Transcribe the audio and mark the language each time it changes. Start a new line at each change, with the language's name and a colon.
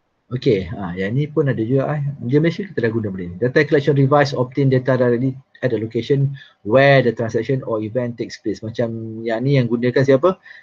Malay: Okay, yang ni pun ada juga. Di Malaysia kita dah guna benda ni.
English: Data collection device obtain data directly at the location where the transaction or event takes place.
Malay: Macam yang ni yang gunakan siapa?